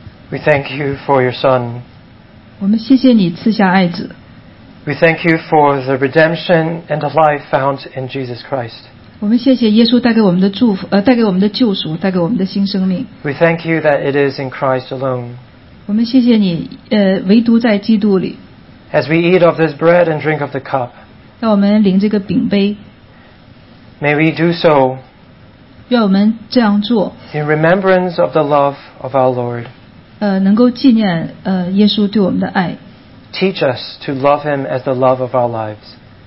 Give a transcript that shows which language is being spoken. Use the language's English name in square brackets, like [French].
[English] we thank you for your Son. [Chinese] 我们谢谢你赐下爱子 [English] we thank you for the redemption and the life found in Jesus Christ. [Chinese] 我们谢谢耶稣带给我们的祝福，带给我们的救赎，带给我们的新生命 [English] we thank you that it is in Christ alone. [Chinese] 我们谢谢你，唯独在基督里 [English] as we eat of this bread and drink of the cup, [Chinese] 让我们领这个饼杯 [English] may we do so. [Chinese] 愿我们这样做 [English] In remembrance of the love of our Lord, [Chinese] 能够纪念耶稣对我们的爱 [English] Teach us to love Him as the love of our lives,